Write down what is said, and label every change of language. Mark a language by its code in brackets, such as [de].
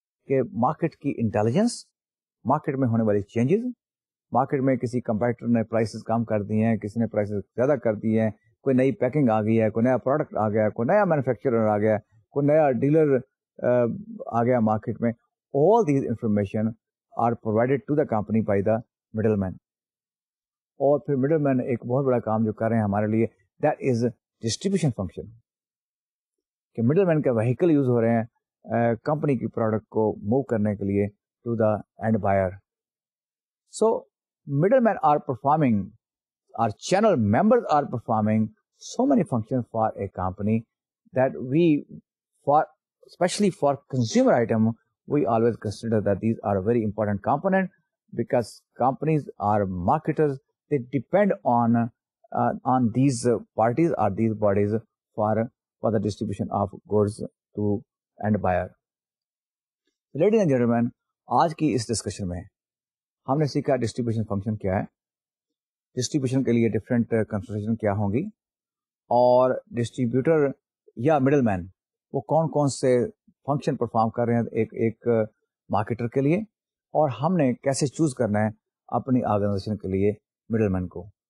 [ur] Ke market ki intelligence, market mein hone wale changes, market میں کسی competitor نے prices کم کر دی ہیں, کسی نے پرائسز زیادہ کر دی ہیں, کوئی نئی پیکنگ آ گئی ہے, کوئی نیا پروڈکٹ آ گیا ہے, کوئی نیا مینوفیکچرر آ گیا ہے, کوئی نیا ڈیلر آ گیا مارکیٹ میں. [en] All these information are provided to the company by the middleman. [ur] اور پھر مڈل مین ایک بہت بڑا کام جو کر رہے ہیں ہمارے لیے, [en] That is distribution function. [ur] کہ مڈل مین کا وہیکل یوز ہو رہے ہیں کمپنی کی پروڈکٹ کو موو کرنے کے لیے [en] To the end buyer. So middlemen are performing, our channel members are performing so many functions for a company that we, for especially for consumer item, we always consider that these are a very important component, because companies are marketers, they depend on these parties or these bodies for the distribution of goods to end buyer. Ladies and gentlemen, [ur] aaj ki is discussion mein ہم نے سیکھا distribution function کیا ہے, distribution کے لیے different consideration کیا ہوں گی, اور ڈسٹریبیوٹر یا مڈل مین وہ کون کون سے فنکشن پرفارم کر رہے ہیں ایک ایک مارکیٹر کے لیے, اور ہم نے کیسے چوز کرنا ہے اپنی آرگنائزیشن کے لیے مڈل مین کو.